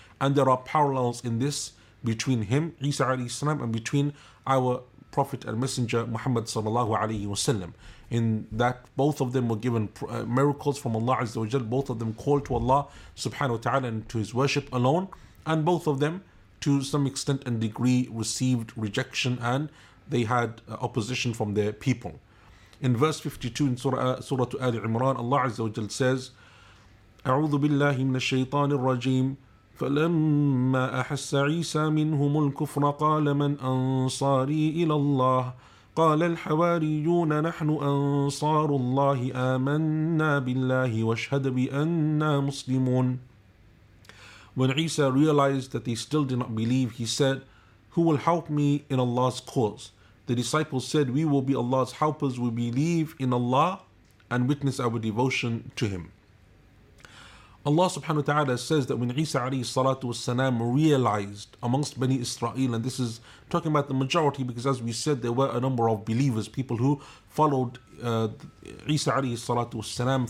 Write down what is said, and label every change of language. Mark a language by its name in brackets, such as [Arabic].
[English] And there are parallels in this between him, Isa alayhi salam, and between our Prophet and Messenger Muhammad sallallahu alayhi wa sallam, in that both of them were given miracles from Allah Azza wa Jal. Both of them called to Allah subhanahu wa ta'ala and to his worship alone, and both of them to some extent and degree received rejection, and they had opposition from their people. In verse 52 in Surah Ali Imran, Allah Azza wa Jal says, [Arabic] أَعُوذُ بِاللَّهِ مِنَ الشَّيْطَانِ الرَّجِيمِ فلما أحس عيسى منهم الكفر قال من أنصاري إلى الله قال الحواريون نحن أنصار الله آمنا بالله واشهد بأننا مسلمون. [English] When Isa realized that they still did not believe, he said, "Who will help me in Allah's cause?" The disciples said, "We will be Allah's helpers. We believe in Allah and witness our devotion to Him." Allah subhanahu wa ta'ala says that when Isa alayhi salatu wasalam realized amongst Bani Israel, and this is talking about the majority, because as we said, there were a number of believers, people who followed Isa alayhi salatu wasalam.